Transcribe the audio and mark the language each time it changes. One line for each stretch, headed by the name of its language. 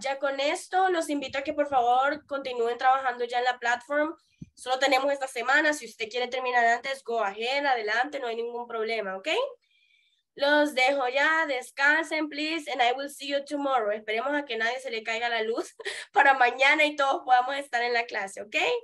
Spanish: Ya con esto, los invito a que por favor continúen trabajando ya en la platform. Solo tenemos esta semana. Si usted quiere terminar antes,
English: go ahead,
Spanish: adelante, no hay ningún problema, ¿ok? Los dejo ya, descansen, please,
English: and I will see you tomorrow.
Spanish: Esperemos a que nadie se le caiga la luz para mañana y todos podamos estar en la clase, ¿ok?